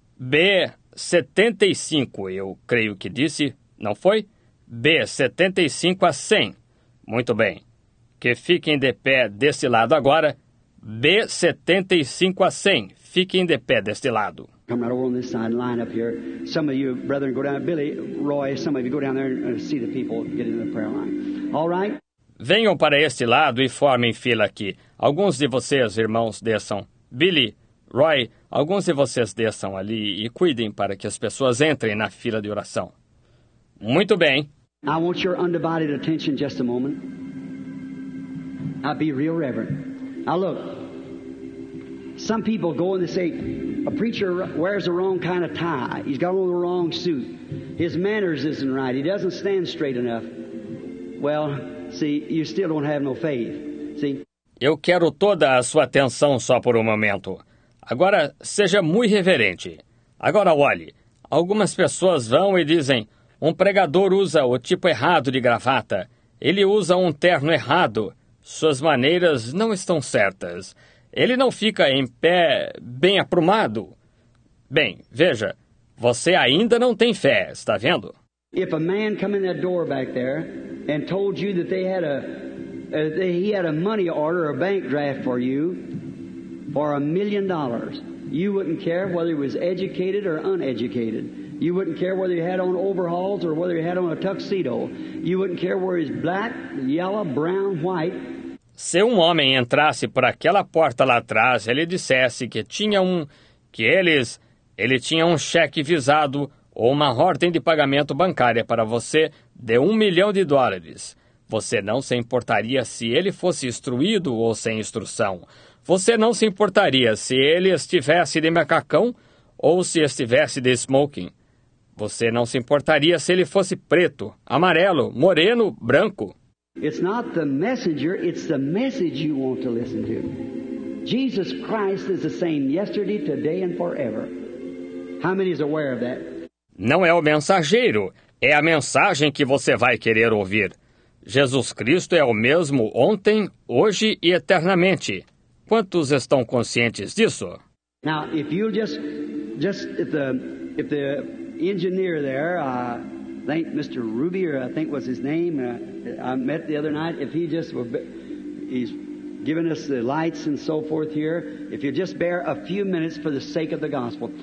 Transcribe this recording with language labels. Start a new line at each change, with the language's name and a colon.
Portuguese: B 75, eu creio que disse, não foi? B 75 a 100. Muito bem. Que fiquem de pé desse lado agora. B 75 a 100. Fiquem de pé deste lado.
English: Come right over on this side and line up here. Some of you, brethren, go down. Billy, Roy, some of you go down there and see the people get into the prayer line. All right?
Portuguese: Venham para este lado e formem fila aqui. Alguns de vocês, irmãos, desçam. Billy, Roy, alguns de vocês desçam ali e cuidem para que as pessoas entrem na fila de oração. Muito bem.
English: I want your undivided attention just a moment. I'll be real reverent. Now look. Some people go and they say, a preacher wears the wrong kind of tie. He's got on the wrong suit. His manners isn't right. He doesn't stand straight enough. Well, see, you still don't have no faith. See?
Portuguese: Eu quero toda a sua atenção só por um momento. Agora, seja muito reverente. Agora, olhe. Algumas pessoas vão e dizem, um pregador usa o tipo errado de gravata. Ele usa um terno errado. Suas maneiras não estão certas. Ele não fica em pé bem aprumado. Bem, veja, você ainda não tem fé, está vendo?
English: If a man come in that door back there and told you that they had he had a money order or a bank draft for you for $1,000,000, you wouldn't care whether he was educated or uneducated. You wouldn't care whether he had on overalls or whether he had on a tuxedo. You wouldn't care whether he's black, yellow, brown, white.
Portuguese: Se um homem entrasse por aquela porta lá atrás, ele dissesse que tinha um, que eles, ele tinha um cheque visado ou uma ordem de pagamento bancária para você de $1,000,000, você não se importaria se ele fosse instruído ou sem instrução. Você não se importaria se ele estivesse de macacão ou se estivesse de smoking. Você não se importaria se ele fosse preto, amarelo, moreno, branco.
English: It's not the messenger, it's the message you want to listen to. Jesus Christ is the same yesterday, today and forever. How many is aware of that?
Portuguese: Não é o mensageiro, é a mensagem que você vai querer ouvir. Jesus Cristo é o mesmo ontem, hoje e eternamente. Quantos estão conscientes disso?
English: Now, if you if the engineer there, thank Mr. Ruby, or I think was his name, I met the other night. If he just, he's given us the lights and so forth here. If you just bear a few minutes for the sake of the gospel.